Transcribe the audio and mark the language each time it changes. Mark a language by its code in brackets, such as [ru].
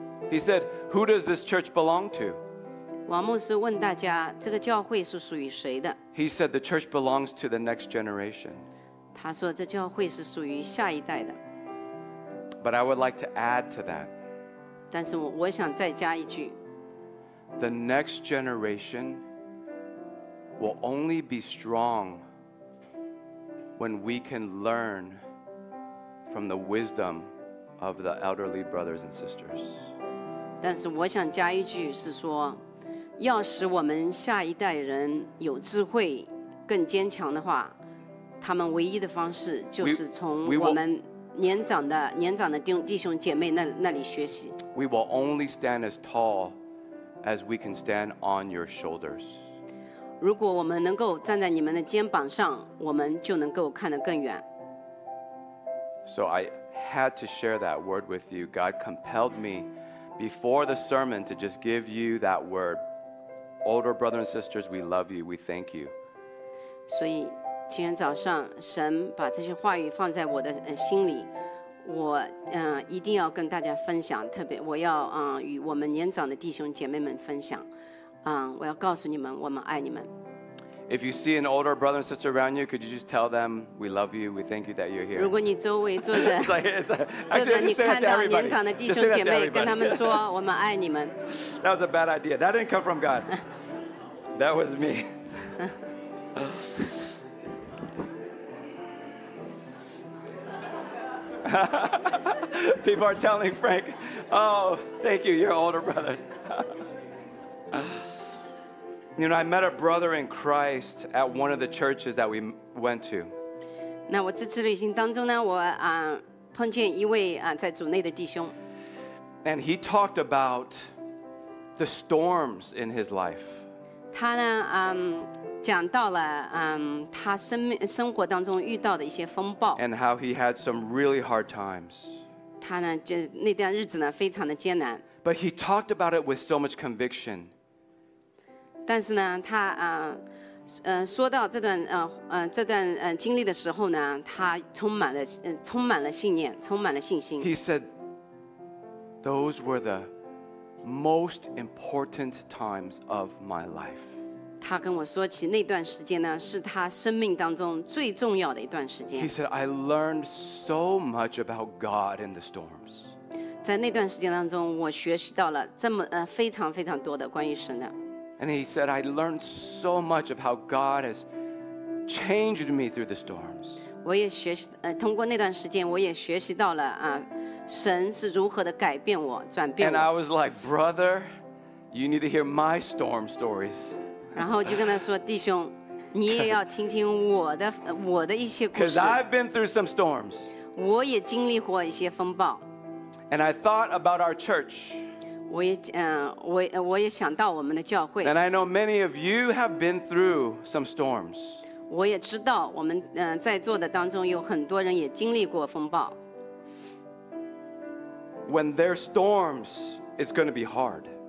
[en] He said, who does this church belong to? [zh] 王牧师问大家这个教会是属于谁的 [en] He said, the church belongs to the next generation. [zh] 他说这教会是属于下一代的 [en] But I would like to add to that. [zh] 但是我想再加一句 [en] The next generation will only be strong when we can learn from the wisdom of the elderly brothers and sisters. [zh] 但是我想加一句是说，要使我们下一代人有智慧，更坚强的话，他们唯一的方式就是从我们年长的弟兄姐妹那里学习。 [en] We will only stand as tall as we can stand on your shoulders. [zh] 如果我们能够站在你们的肩膀上，我们就能够看得更远。 [en] So I had to share that word with you. God compelled me before the sermon to just give you that word. Older brothers and sisters, we love you. We thank you. [zh] 所以今天早上神把这些话语放在我的心里，我一定要跟大家分享，特别我要与我们年长的弟兄姐妹们分享，我要告诉你们，我们爱你们。 [en] If you see an older brother and sister around you, could you just tell them we love you, we thank you that you're here? [zh] 如果你周围坐着，坐着你看到年长的弟兄姐妹，跟他们说我们爱你们。 [en] That was a bad idea. That didn't come from God. That was me. People are telling Frank, oh, thank you, you're older brother. You know, I met a brother in Christ at one of the churches that we went to. [zh] 那我这次旅行当中呢，我碰见一位在主内的弟兄。 [en] And he talked about the storms in his life. [zh] 他呢讲到了他生活当中遇到的一些风暴。 [en] And how he had some really hard times. [zh] 他呢就那段日子呢非常的艰难。 [en] But he talked about it with so much conviction. [zh] 但是呢他说到这段这段经历的时候呢他充满了信念充满了信心。 [en] He said, those were the most important times of my life. [zh] 他跟我说起那段时间呢是他生命当中最重要的一段时间。 [en] He said, I learned so much about God in the storms. [zh] 在那段时间当中我学习到了这么非常非常多的关于神的。 [en] And he said, I learned so much of how God has changed me through the storms. [zh] 我也学习，通过那段时间，我也学习到了，神是如何的改变我，转变我。 [en] And I was like, brother, you need to hear my storm stories. [zh] 然后就跟他说，弟兄，你也要听听我的一些故事。 [en] Because I've been through some storms. [zh] 我也经历过一些风暴。 [en] And I thought about our church. [zh] 我也想到我们的教会。 [en] And I know many of you have been through some storms. [zh] 我也知道我们在座的当中有很多人也经历过风暴。 [en] When there are storms, it's going to be hard.